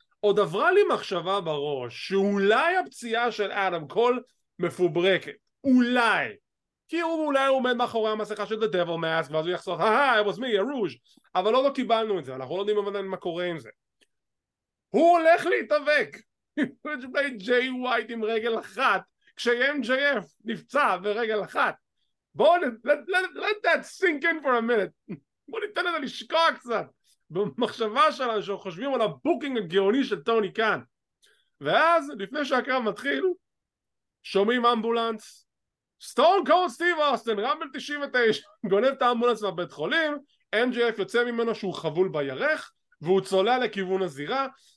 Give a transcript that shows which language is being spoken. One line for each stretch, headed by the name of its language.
Hebrew: עוד עברה לי מחשבה בראש, שאולי הפציעה של אדם קול מפוברקת. אולי. כי הוא אולי עומד מאחורי המסכה של The Devil Mask, ואז הוא יחסוך,
English: it was me, a rouge.
Hebrew: אבל לא קיבלנו את זה, אנחנו לא יודעים מה קורה עם זה. הוא הולך להתאבק. סוויץ'בלייד, ג'יי ווייט עם רגל אחת. כש-MJF נפצע ורגל אחת. בואו,
English: let that sink in for a minute.
Hebrew: בוא ניתן לזה לשקוע קצת במחשבה שלנו שאנחנו חושבים על הבוקינג הגאוני של טוני קאהן. ואז לפני שהקרב מתחיל שומעים אמבולנס, סטון קולד סטיב אוסטין רמבל 99 גונב את האמבולנס מהבית חולים, MJF יוצא ממנו שהוא חבול בירך והוא צולע לכיוון הזירה.